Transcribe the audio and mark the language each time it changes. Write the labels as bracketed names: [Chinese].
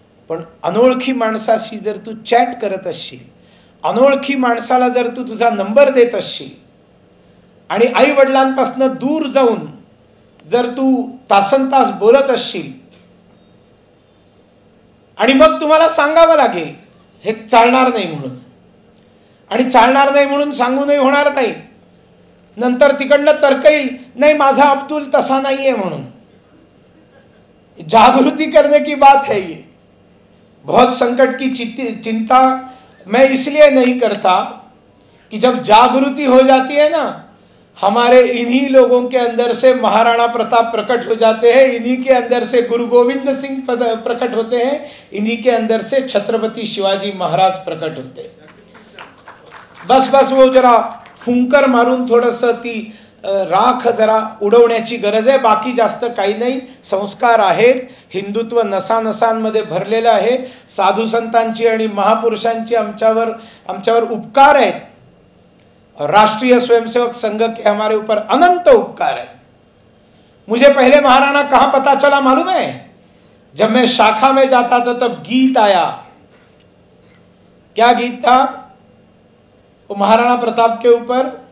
[Marathi] पण अनोळखी माणसाशी जर तू चॅट करत असशील, अनोळखी माणसाला जर तू तुझा नंबर देत असशील आणि आई वडिलांपासून दूर जाऊन जर तू तासन तास बोलत असशील आणि मग तुम्हाला सांगावं लागेल हे चालणार नाही म्हणून, आणि चालणार नाही म्हणून सांगूनही होणार नाही, नंतर तिकडनं तर्क येईल, नाही माझा अब्दुल तसा नाहीये म्हणून. [Hindi] जागृती करणे की बात है ये. बहुत संकट की चिंता मैं इसलिए नहीं करता कि जब जागृति हो जाती है ना, हमारे इन्हीं लोगों के अंदर से महाराणा प्रताप प्रकट हो जाते हैं, इन्हीं के अंदर से गुरु गोविंद सिंह प्रकट होते हैं, इन्हीं के अंदर से छत्रपति शिवाजी महाराज प्रकट होते हैं. [Marathi] बस बस वो जरा फुंकर मारून थोड़स ती राख जरा उडवण्याची गरज आहे, बाकी जास्त काही नाही. संस्कार आहेत, हिंदुत्व नसानसांमध्ये भरलेलं आहे. साधू संतांची आणि महापुरुषांची आमच्यावर उपकार आहेत. [Hindi] राष्ट्रीय स्वयंसेवक संघ के हमारे ऊपर अनंत उपकार है. मुझे पहले महाराणा कहां पता चला मालूम है? जब मैं शाखा में जाता था तब गीत आया. क्या गीत था वो महाराणा प्रताप के ऊपर?